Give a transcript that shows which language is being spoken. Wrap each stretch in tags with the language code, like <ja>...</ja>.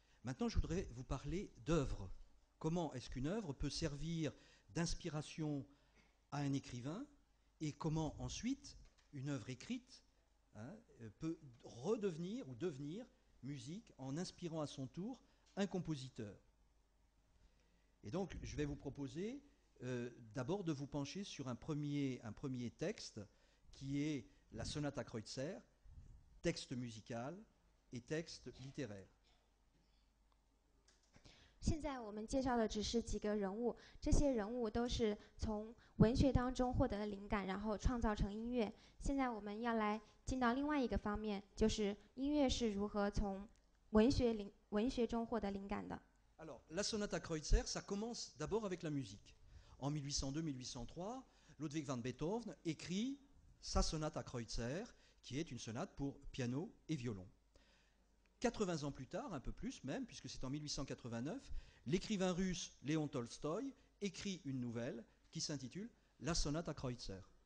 <fr>Maintenant, je voudrais vous parler d'œuvres. Comment est-ce qu'une œuvre peut servir d'inspiration à un écrivain et comment ensuite une œuvre écrite peut redevenir ou devenir musique en inspirant à son tour un compositeur. Et donc, je vais vous proposer... d'abord de vous pencher sur un premier texte qui est la sonate à Kreutzer, texte musical et texte littéraire.</fr> <zh>现在我们介绍的只是几个人物，这些人物都是从文学当中获得的灵感，然后创造成音乐。现在我们要来进到另外一个方面，就是音乐是如何从文学中获得灵感的。</zh> <fr>Alors, la sonate à Kreutzer, ça commence d'abord avec la musique. En 1802-1803, Ludwig van Beethoven écrit sa sonate à Kreutzer, qui est une sonate pour piano et violon. 80 ans plus tard, un peu plus même, puisque c'est en 1889, l'écrivain russe Léon Tolstoï écrit une nouvelle qui s'intitule La sonate à Kreutzer.</fr>